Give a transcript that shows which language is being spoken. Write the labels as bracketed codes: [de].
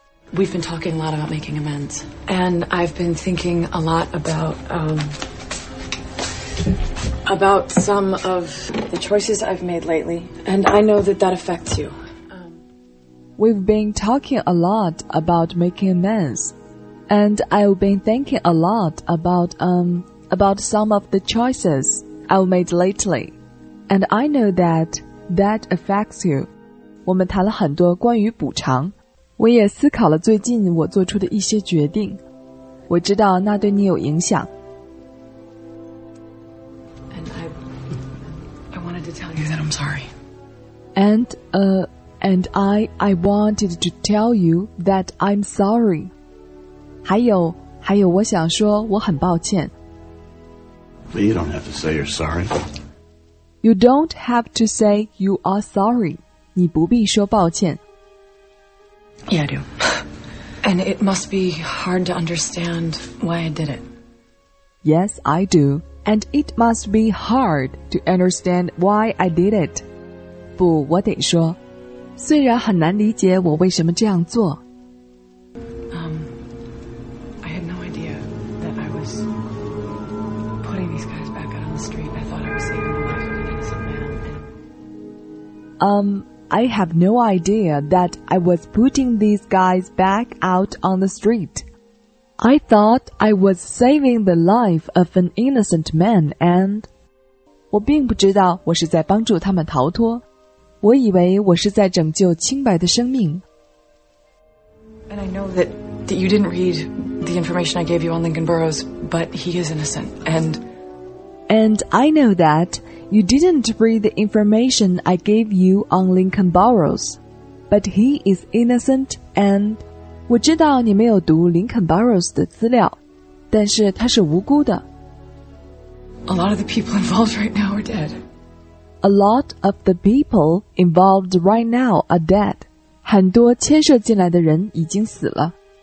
[en] We've been talking a lot about making amends. And I've been thinking a lot about some of the choices I've made lately. And I know that that affects you. We've been talking a lot about making amends. And I've been thinking a lot about some of the choices I've made lately. And I know that that affects you. [zh] 我们谈了很多关于补偿。我也思考了最近我做出的一些决定，我知道那对你有影响。 [en] And I wanted to tell you that I'm sorry. And I wanted to tell you that I'm sorry. [zh] 还有我想说我很抱歉。 [en] But you don't have to say you're sorry. You don't have to say you are sorry. [zh] 你不必说抱歉。 [en] Yeah, I do. And it must be hard to understand why I did it. Yes, I do. And it must be hard to understand why I did it. [zh] 不，我得说，虽然很难理解我为什么这样做。 [en] I had no idea that I was putting these guys back out on the street. I thought I was saving the life of an innocent man. I have no idea that I was putting these guys back out on the street. I thought I was saving the life of an innocent man and... [zh] 我并不知道我是在帮助他们逃脱。我以为我是在拯救清白的生命。 [en] And I know that you didn't read the information I gave you on Lincoln Burrows, but he is innocent and... And I know that you didn't read the information I gave you on Lincoln Burrows, but he is innocent and... [zh] 我知道你没有读 Lincoln Burrows 的资料，但是他是无辜的。 [en] A lot of the people involved right now are dead. A lot of the people involved right now are dead. [zh] 很多牵涉进来的人已经死了。